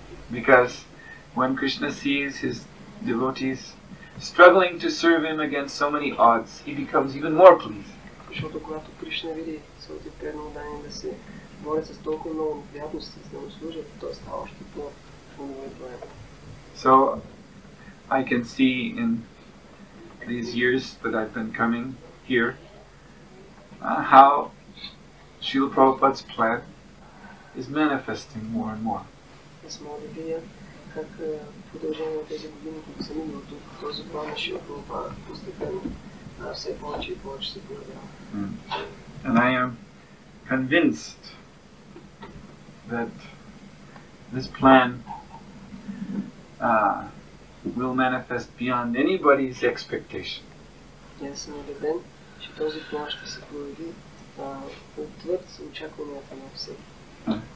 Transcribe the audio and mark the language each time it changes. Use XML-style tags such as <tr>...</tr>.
<en>Because when Krishna sees his devotees struggling to serve him against so many odds, he becomes even more pleased.</en> <bg>Защото когато Кришна види своите преднодани да се борят с толкова много вярности, за да му служат, той става още по-удовлетворен.</bg> <en>So, I can see in these years that I've been coming here, how Srila Prabhupada's plan is manifesting more and more.</en> <bg>Аз мога да видя как продължение на тези години, които съм имал тук, този план на Шрила Прабхупада постепенно все повече и повече се проявява.</bg> <en>And I am convinced that this plan will manifest beyond anybody's expectation. Yes, I'm sure that this plan will manifest beyond anybody's expectation.</en>